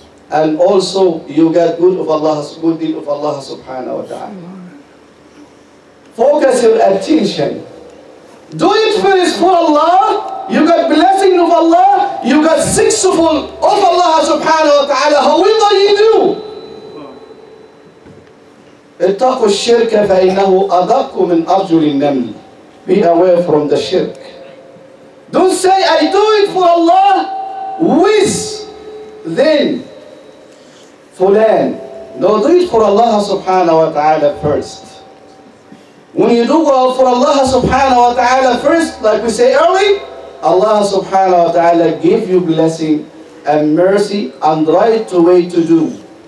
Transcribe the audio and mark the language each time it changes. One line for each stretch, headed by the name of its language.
English: And also you get good of Allah, good deed of Allah subhanahu wa ta'ala. Focus your attention. Do it first for Allah. You got blessing of Allah, you got successful of Allah subhanahu wa ta'ala. However you do,
Arabic: اتقوا الشرك فإنه أدق من أرجل النمل.
English: Be away from the shirk. Don't say I do it for Allah with then fulan. No, do it for Allah subhanahu wa ta'ala first. When you do well for Allah subhanahu wa ta'ala first, like we say early, Allah subhanahu wa ta'ala give you blessing and mercy and right to way to do.